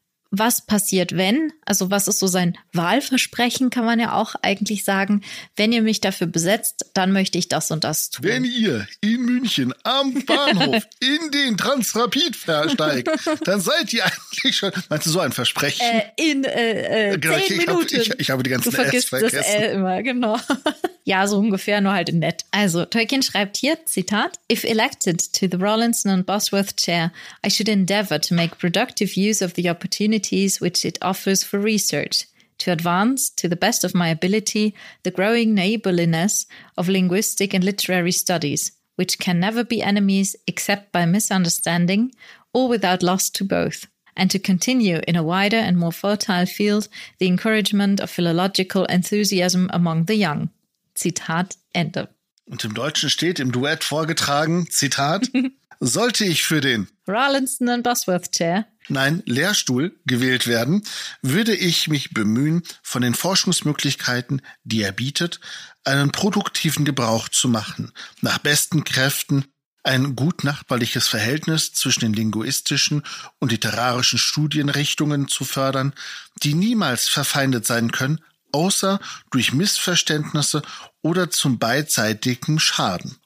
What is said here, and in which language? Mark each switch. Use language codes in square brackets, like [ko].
[de] Was passiert, wenn, also was ist so sein Wahlversprechen, kann man ja auch eigentlich sagen, wenn ihr mich dafür besetzt, dann möchte ich das und das tun. Wenn ihr in München am Bahnhof in den Transrapid versteigt, dann seid ihr eigentlich schon, meinst du so ein Versprechen? Genau, 10 Minuten. Ich habe die ganzen S vergessen. Du vergisst das L immer, genau. Ja, so ungefähr, nur halt in nett. Also, Tolkien schreibt hier, Zitat, [en] if elected to the Rawlinson and Bosworth chair, I should endeavor to make productive use of the opportunities which it offers for research, to advance, to the best of my ability, the growing neighborliness of linguistic and literary studies, which can never be enemies except by misunderstanding or without loss to both, and to continue in a wider and more fertile field the encouragement of philological enthusiasm among the young. [de] Zitat Ende. Und im Deutschen steht im Duett vorgetragen, Zitat, sollte ich für den Rawlinson and Bosworth Chair, nein, Lehrstuhl, gewählt werden, würde ich mich bemühen, von den Forschungsmöglichkeiten, die er bietet, einen produktiven Gebrauch zu machen, nach besten Kräften ein gut nachbarliches Verhältnis zwischen den linguistischen und literarischen Studienrichtungen zu fördern, die niemals verfeindet sein können, außer durch Missverständnisse oder zum beidseitigen Schaden.